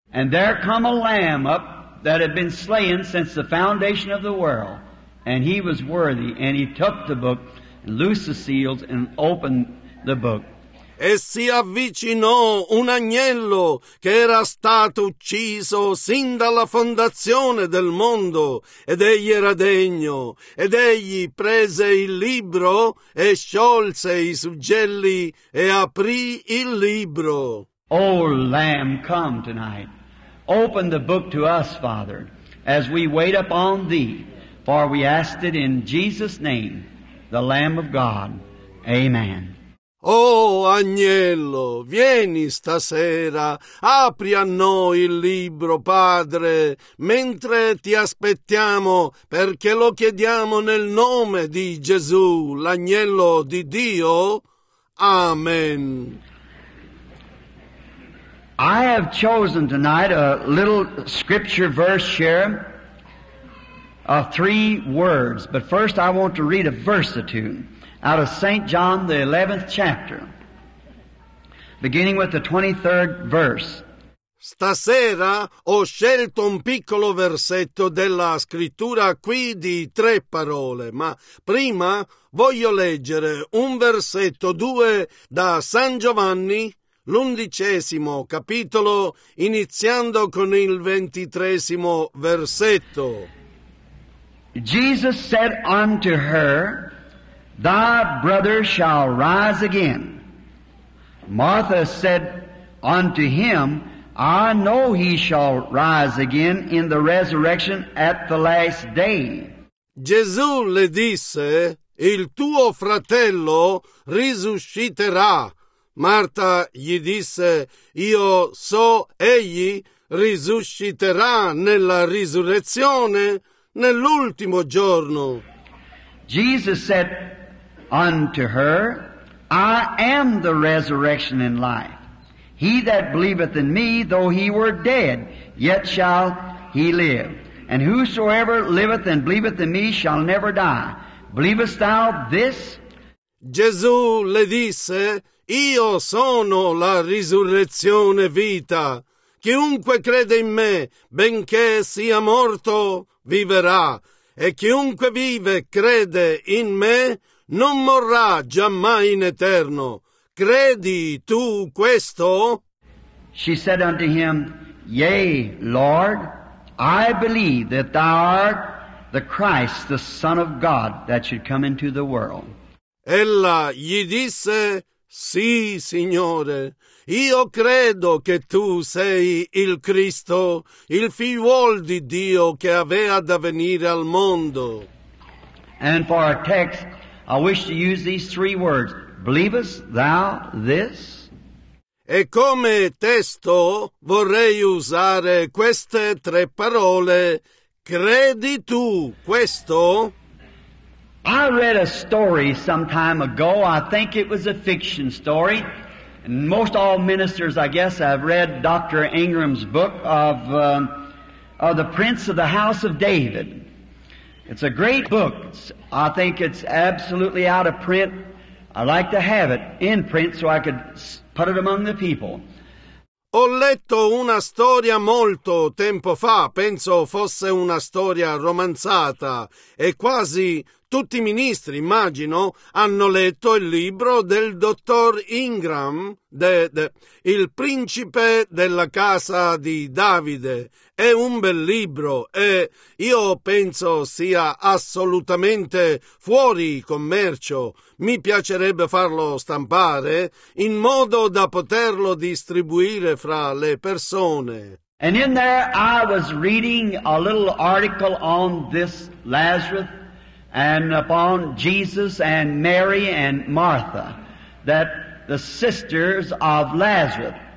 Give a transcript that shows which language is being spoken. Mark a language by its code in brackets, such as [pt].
[en] And there come a lamb up that had been slain since the foundation of the world, and he was worthy, and he took the book, and loosed the seals, and opened the book. [it] E si avvicinò un agnello che era stato ucciso sin dalla fondazione del mondo, ed egli era degno, ed egli prese il libro, e sciolse i suggelli, e aprì il libro. [en] O Lamb, come tonight. Open the book to us, Father, as we wait upon thee, for we ask it in Jesus' name, the Lamb of God. Amen. [it] Oh, agnello, vieni stasera, apri a noi il libro, Padre, mentre ti aspettiamo, perché lo chiediamo nel nome di Gesù, l'agnello di Dio. Amen. [en] I have chosen tonight a little scripture verse share of three words. But first I want to read a verse or two out of St. John, the 11th chapter, beginning with the 23rd verse. [it] Stasera ho scelto un piccolo versetto della scrittura qui di tre parole, ma prima voglio leggere un versetto, due, da San Giovanni, l'undicesimo capitolo, iniziando con il 23° versetto. [en] Jesus said unto her, Thy brother shall rise again. Martha said unto him, I know he shall rise again in the resurrection at the last day. [it] Gesù le disse, Il tuo fratello risusciterà. Marta gli disse, Io so egli risusciterà nella risurrezione nell'ultimo giorno. [en] Jesus said unto her, I am the resurrection and life. He that believeth in me, though he were dead, yet shall he live. And whosoever liveth and believeth in me shall never die. Believest thou this? [it] Gesù le disse, Io sono la risurrezione vita. Chiunque crede in me, benché sia morto, viverà. E chiunque vive e crede in me, non morrà giammai in eterno. Credi tu questo? [en] She said unto him, Yea, Lord, I believe that thou art the Christ, the Son of God, that should come into the world. [it] Ella gli disse: «Sì, Signore, io credo che tu sei il Cristo, il figliuol di Dio che avea da venire al mondo». [en] And for our text, I wish to use these three words: believest thou this? [it] E come testo vorrei usare queste tre parole: credi tu questo? [en] I read a story some time ago. I think it was a fiction story. And most all ministers, I guess, have read Dr. Ingram's book of The Prince of the House of David. It's a great book. I think it's absolutely out of print. I'd like to have it in print so I could put it among the people. [it] Ho letto una storia molto tempo fa, penso fosse una storia romanzata, e quasi tutti i ministri, immagino, hanno letto il libro del dottor Ingram, Il principe della casa di Davide. È un bel libro e io penso sia assolutamente fuori commercio. Mi piacerebbe farlo stampare in modo da poterlo distribuire fra le persone. [en] And in there I was reading a little article on this Lazarus and upon Jesus and Mary and Martha, that the sisters of Lazarus.